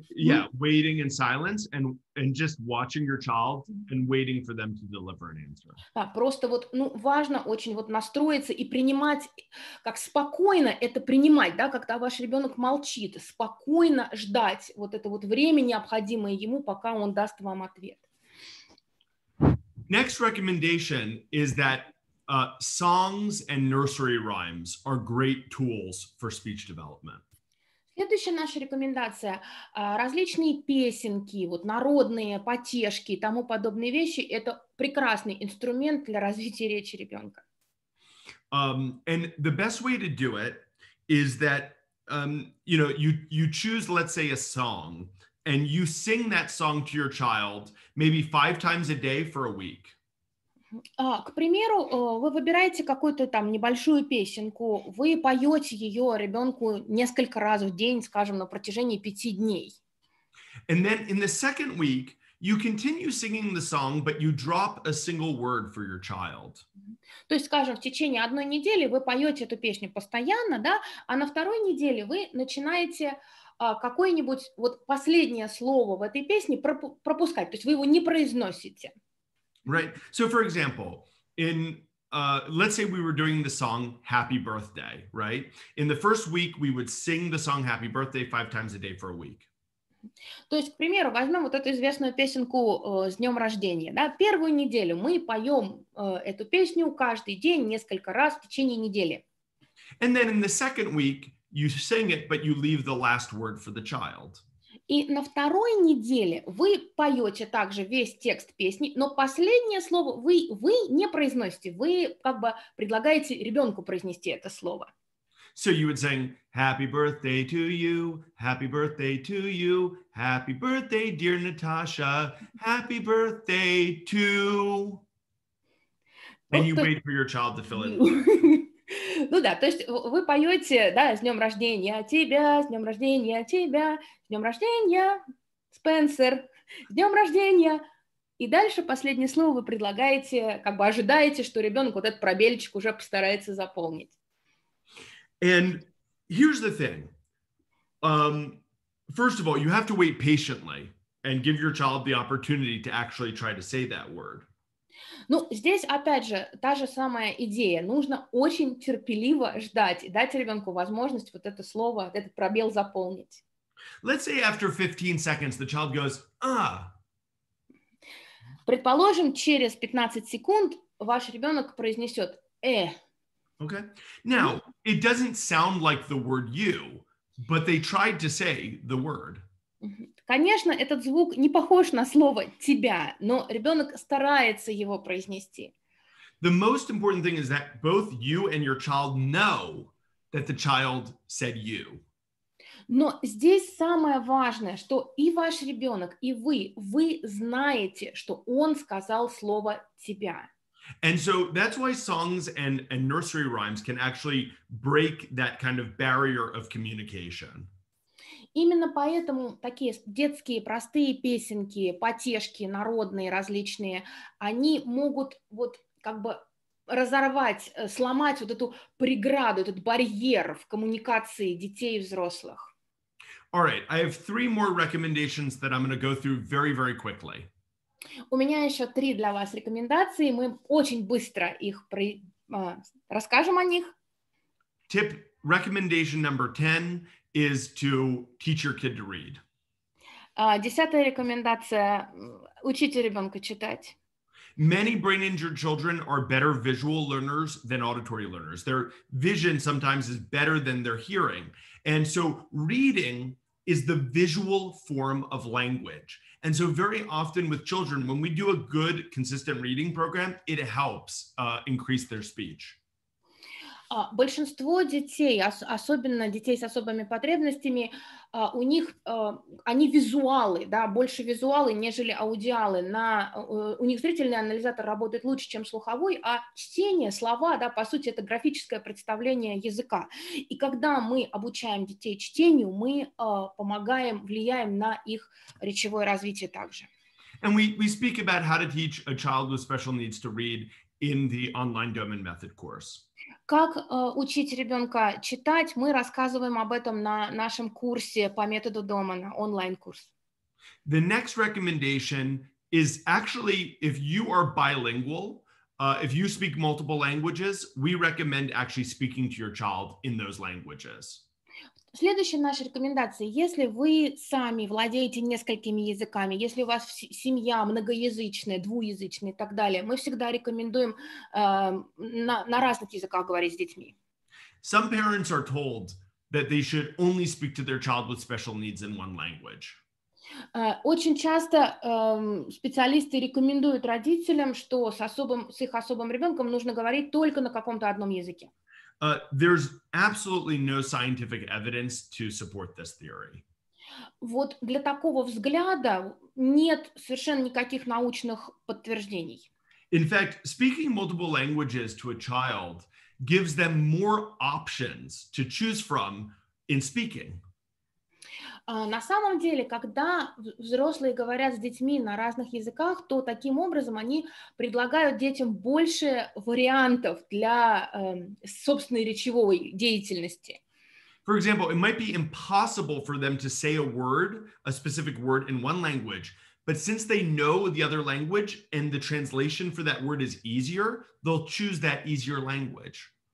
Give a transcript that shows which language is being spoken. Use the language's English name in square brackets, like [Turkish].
[English] Yeah, waiting in silence and just watching your child and waiting for them to deliver an answer. [Russian] Да, просто вот, ну, важно очень вот настроиться и принимать, как спокойно это принимать, да, когда ваш ребенок молчит, спокойно ждать вот это вот время, необходимое ему, пока он даст вам ответ. [English] Next recommendation is that songs and nursery rhymes are great tools for speech development. [Russian] Следующая наша рекомендация – различные песенки, вот народные, потешки и тому подобные вещи – это прекрасный инструмент для развития речи ребенка. [English] And the best way to do it is that, you know, you choose, let's say, a song, and you sing that song to your child maybe 5 times a day for a week. [Russian] К примеру, вы выбираете какую-то там небольшую песенку, вы поете ее ребенку несколько раз в день, скажем, на протяжении 5 дней. [English] And then in the second week, you continue singing the song, but you drop a single word for your child. [Russian] То есть, скажем, в течение одной недели вы поете эту песню постоянно, да, а на второй неделе вы начинаете какое-нибудь вот последнее слово в этой песне пропускать, то есть вы его не произносите. [English] Right. So, for example, in let's say we were doing the song Happy Birthday, right? In the first week, we would sing the song Happy Birthday 5 times a day for a week. [Russian] То есть, к примеру, возьмем вот эту известную песенку «С днем рождения». Да? Первую неделю мы поем эту песню каждый день несколько раз в течение недели. [English] And then in the second week, you sing it, but you leave the last word for the child. [Russian] И на второй неделе вы поете также весь текст песни, но последнее слово вы не произносите. Вы как бы предлагаете ребенку произнести это слово. [English] So you would sing, happy birthday to you, happy birthday to you, happy birthday, dear Natasha, happy birthday to... And you wait for your child to fill it. [Russian] Ну да, то есть вы поете, да, с днем рождения тебя, с днем рождения тебя, с днем рождения, Спенсер, с днем рождения. И дальше последнее слово вы предлагаете, как бы ожидаете, что ребенок вот этот пробельчик уже постарается заполнить. [English] And here's the thing. First of all, you have to wait patiently and give your child the opportunity to actually try to say that word. [Russian] Ну, здесь, опять же, та же самая идея. Нужно очень терпеливо ждать и дать ребенку возможность вот это слово, этот пробел заполнить. [English] Let's say after 15 seconds the child goes, ah. [Russian] Предположим, через 15 секунд ваш ребенок произнесет «эх». [English] Okay. Now, it doesn't sound like the word you, but they tried to say the word. [Russian] Конечно, этот звук не похож на слово тебя, но ребенок старается его произнести. [English] The most important thing is that both you and your child know that the child said you. [Russian] Но здесь самое важное, что и ваш ребенок, и вы знаете, что он сказал слово тебя. [English] And so that's why songs and nursery rhymes can actually break that kind of barrier of communication. [Russian] Именно поэтому такие детские простые песенки, потешки народные различные, они могут вот как бы разорвать, сломать вот эту преграду, этот барьер в коммуникации детей и взрослых. [English] All right, I have 3 more recommendations that I'm going to go through very, very quickly. [Russian] У меня еще 3 для вас рекомендации, мы очень быстро их расскажем о них. [English] Tip, recommendation number 10 is to teach your kid to read. [Russian] 10-я рекомендация – учите ребенка читать. [English] Many brain injured children are better visual learners than auditory learners. Their vision sometimes is better than their hearing. And so reading is the visual form of language. And so very often with children, when we do a good, consistent reading program, it helps increase their speech. [Russian] Большинство детей, особенно детей с особыми потребностями, у них, они визуалы, да, больше визуалы, нежели аудиалы. У них зрительный анализатор работает лучше, чем слуховой, а чтение, слова, да, по сути, это графическое представление языка. И когда мы обучаем детей чтению, мы помогаем, влияем на их речевое развитие также. [English] And we speak about how to teach a child with special needs to read in the online Doman Method course. [Russian] Как учить ребенка читать, мы рассказываем об этом на нашем курсе по методу Домана, онлайн-курс. [English] The next recommendation is actually, if you are bilingual, if you speak multiple languages, we recommend actually speaking to your child in those languages. [Russian] Следующая наша рекомендация. Если вы сами владеете несколькими языками, если у вас семья многоязычная, двуязычная и так далее, мы всегда рекомендуем на разных языках говорить с детьми. [English] Some parents are told that they should only speak to their child with special needs in one language. [Russian] Очень часто специалисты рекомендуют родителям, что с их особым ребенком нужно говорить только на каком-то одном языке. [English] There's absolutely no scientific evidence to support this theory. [Russian] Вот для такого взгляда нет совершенно никаких научных подтверждений. [English] In fact, speaking multiple languages to a child gives them more options to choose from in speaking. [Russian] На самом деле, когда взрослые говорят с детьми на разных языках, то таким образом они предлагают детям больше вариантов для собственной речевой деятельности. [English] For example, it might be impossible for them to say a word, a specific word in one language, but since they know the other language and the translation for that word is easier, they'll choose that easier language.